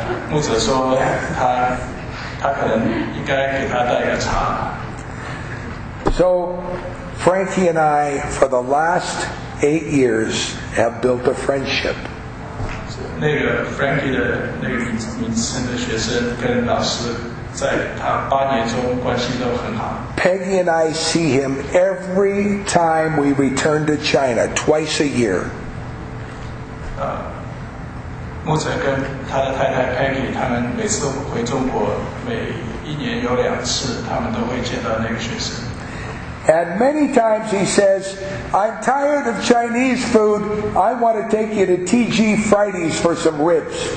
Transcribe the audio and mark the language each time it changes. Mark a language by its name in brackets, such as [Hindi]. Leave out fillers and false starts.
[Chinese] 牧者说他可能应该给他带个茶。 [English] So, Frankie and I, for the last 8 years, have built a friendship. [Chinese] 那个Frankie的那个名字的学生跟老师在他八年中关系都很好。 [English] Peggy and I see him every time we return to China, twice a year. [Chinese] 牧者跟他的太太Peggy他们每次回中国每一年有两次他们都会见到那个学生。 [English] And many times he says, I'm tired of Chinese food, I want to take you to TG Fridays for some ribs.